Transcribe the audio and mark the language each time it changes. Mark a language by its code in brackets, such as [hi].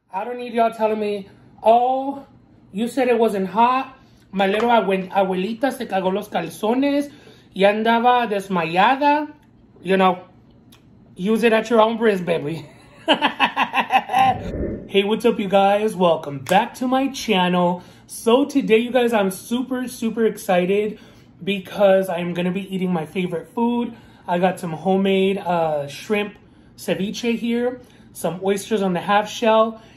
[en] I don't need y'all telling me, oh, you said it wasn't hot. My little [es] abuelita se cagó los calzones y andaba desmayada. [en] You know, use it at your own risk, baby. Hey, what's up, you guys? Welcome back to my channel. So today, you guys, I'm super, super excited because I'm going to be eating my favorite food. I got some homemade shrimp ceviche here, some oysters on the half shell.